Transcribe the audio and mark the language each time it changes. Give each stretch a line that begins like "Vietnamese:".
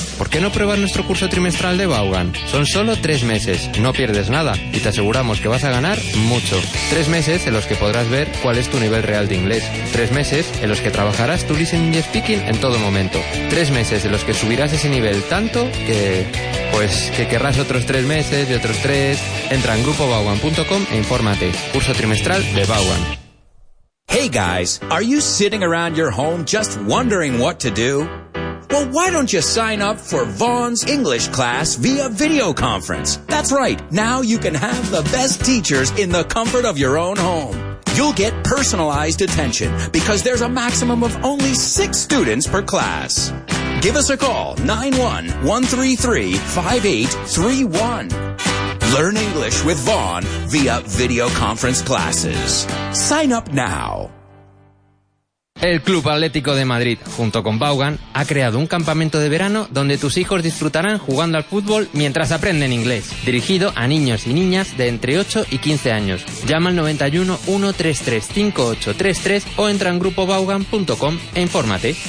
Spanish: ¿Por qué no pruebas nuestro curso trimestral de Vaughan? Son solo 3 meses, no pierdes nada y te aseguramos que vas a ganar mucho. 3 meses en los que podrás ver cuál es tu nivel real de inglés. 3 meses en los que trabajarás tu listening y speaking en todo momento. 3 meses en los que subirás ese nivel tanto que, pues, que querrás otros 3 meses y otros 3. Entra en grupovaughan.com e infórmate. Curso trimestral de Vaughan.
English: Hey guys, are you sitting around your home just wondering what to do? Well, why don't you sign up for Vaughan's English class via video conference? That's right. Now you can have the best teachers in the comfort of your own home. You'll get personalized attention because there's a maximum of only 6 students per class. Give us a call, 91-133-5831. Learn English with Vaughan via video conference classes. Sign up now.
Spanish: El Club Atlético de Madrid, junto con Vaughan, ha creado un campamento de verano donde tus hijos disfrutarán jugando al fútbol mientras aprenden inglés. Dirigido a niños y niñas de entre 8 y 15 años. Llama al 91-133-5833 o entra en grupovaughan.com e infórmate.